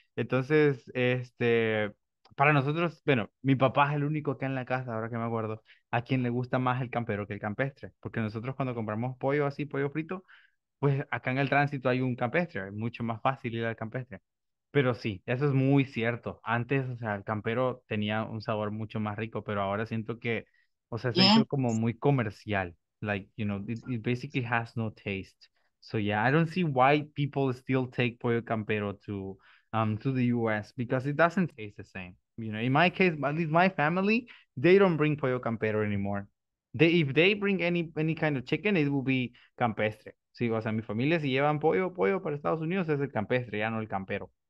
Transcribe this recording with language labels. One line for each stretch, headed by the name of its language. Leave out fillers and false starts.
Spanish: Entonces, para nosotros, bueno, mi papá es el único acá en la casa, ahora que me acuerdo, a quien le gusta más el campero que el campestre, porque nosotros cuando compramos pollo así, pollo frito, pues acá en el tránsito hay un campestre, es mucho más fácil ir al campestre. Pero sí, eso es muy cierto. Antes, o sea, el campero tenía un sabor mucho más rico, pero ahora siento que, o sea, se ha hecho como muy comercial.
English: Like, you know, it basically has no taste. So yeah, I don't see why people still take pollo campero to the US because it doesn't taste the same. You know, in my case, at least my family, they don't bring pollo campero anymore. If they bring any kind of chicken, it will be campestre.
Spanish: Sí, o sea, mi familia si llevan pollo para Estados Unidos es el campestre, ya no el campero.